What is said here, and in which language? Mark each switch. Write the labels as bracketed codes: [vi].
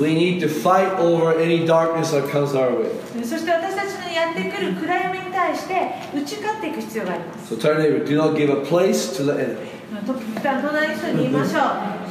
[en] We need to fight over any darkness that comes our way. [ja] そして私たちのやってくる暗闇に対して打ち勝っていく必要があります。 [en] So turn over, do not give a place to the enemy. [ja] 隣の人に言いましょう。